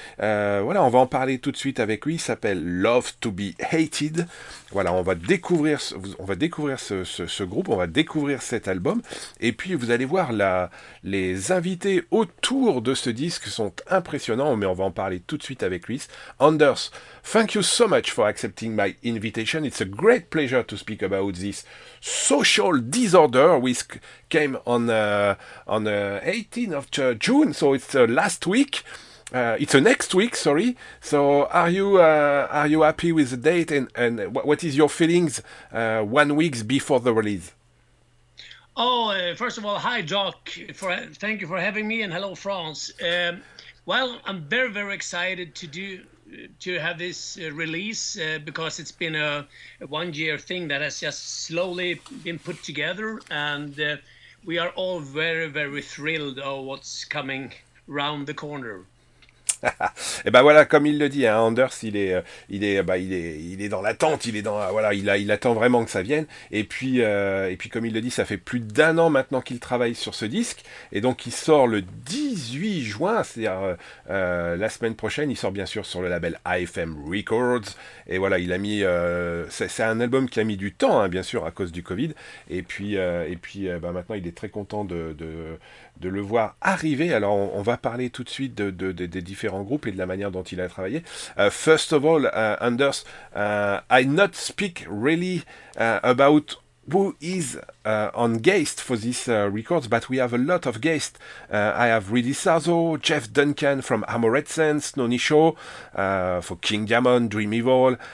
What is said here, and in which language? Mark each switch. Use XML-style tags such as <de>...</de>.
<fr>Voilà, on va en parler tout de suite avec lui. Il s'appelle Love to be Hated. Voilà, on va découvrir ce groupe, on va découvrir cet album, et puis vous allez voir, les invités autour de ce disque sont impressionnants, mais on va en parler tout de suite avec lui.</fr> <en>Anders, thank you so much for accepting my invitation. It's a great pleasure to speak about this social disorder which came on 18th of June, so it's last week. It's next week. So are you happy with the date and what is your feelings 1 week before the release? Oh, first of all, hi Doc. Thank you for having me and hello France. Well, I'm very, very excited to have this release because it's been a 1 year thing that has just slowly been put together, and we are all very, very thrilled of what's coming round the corner.</en> <fr>Et ben voilà, comme il le dit, hein, Anders, il est dans l'attente, il attend vraiment que ça vienne. Et puis comme il le dit, ça fait plus d'un an maintenant qu'il travaille sur ce disque, et donc il sort le 18 juin, c'est-à-dire la semaine prochaine. Il sort bien sûr sur le label AFM Records. Et voilà, il a mis, c'est un album qui a mis du temps, hein, bien sûr, à cause du Covid. Et puis maintenant, il est très content de le voir arriver. Alors on va parler tout de suite des différents groupes et de la manière dont il a travaillé.</fr> <en>First of all, Anders, I not speak really about who is on guest for this records, but we have a lot of guests. I have Rudy Sarzo, Jeff Duncan from Amored Sense, Noni Shaw for King Diamond, Dream Evil.</en>